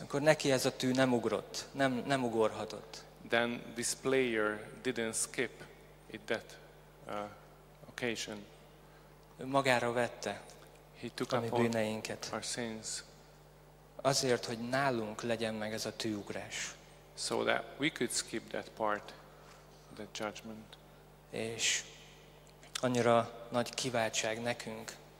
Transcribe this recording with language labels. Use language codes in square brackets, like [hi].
[hu] Akkor neki ez a tű nem ugrott, nem ugorhatott. [en] Then this player didn't skip it that occasion. [hu] Ő magára vette. [en] He took [hu] a mi bűneinket. [en] Our sins. [hu] Azért, hogy nálunk legyen meg ez a tűugrás. [en] So that we could skip that part, that judgment. [hu] És annyira nagy kiváltság nekünk.